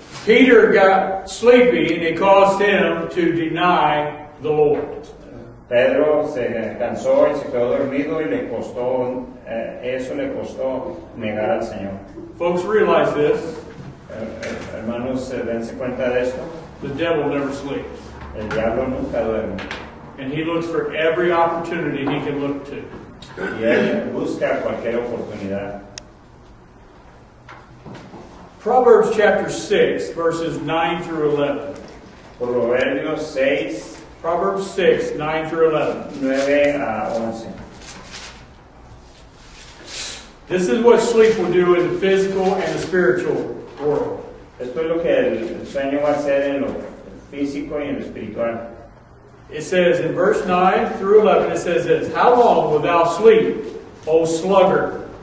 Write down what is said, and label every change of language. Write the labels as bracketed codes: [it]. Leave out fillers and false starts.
[en] Peter got sleepy and it caused him to deny the Lord. [es] Pedro se cansó y se quedó dormido y le costó, eso le costó negar al Señor. [en] Folks, realize this. [es] Hermanos, dense cuenta de esto. [en] The devil never sleeps. [es] El diablo nunca duerme. [en] And he looks for every opportunity he can look to. [es] Y él busca cualquier oportunidad. [en] Proverbs chapter 6, verses 9 through 11. [es] Proverbios 6. [en] Proverbs 6, 9 through 11. [es] 9 a 11. [en] This is what sleep will do in the physical and the spiritual world. [es] Esto es lo que el sueño va a hacer en lo físico y en lo espiritual. [en] It says in verse 9 through 11, it says this, how long wilt thou sleep, O sluggard?